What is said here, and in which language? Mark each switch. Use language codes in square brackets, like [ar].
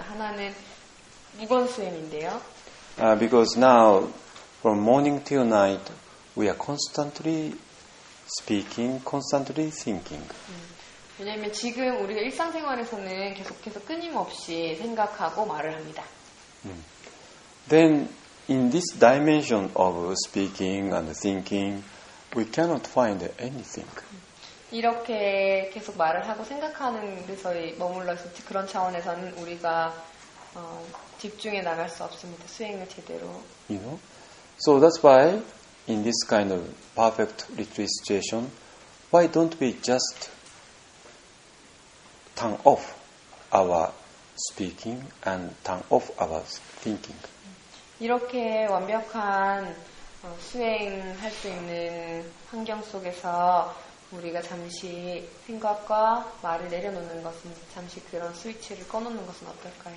[ko] 하나는 무건 수행인데요. [en] Because now, from morning till night, we are constantly speaking, constantly thinking. [ko] 왜냐하면 지금 우리가 일상생활에서는 계속해서 끊임없이 생각하고 말을 합니다. [en] Then, in this dimension of speaking and thinking, we cannot find anything. [ko] 이렇게 계속 말을 하고 생각하는 데서의 머물러 있을 때 그런 차원에서는 우리가 집중해 나갈 수 없습니다. 수행을 제대로. [en] You know? So that's why in this kind of perfect retreat situation, why don't we just turn off our speaking and turn off our thinking? [ko] 이렇게 완벽한 수행할 수 있는 환경 속에서 우리가 잠시 생각과 말을 내려놓는 것은 잠시 그런 스위치를 꺼놓는 것은 어떨까요?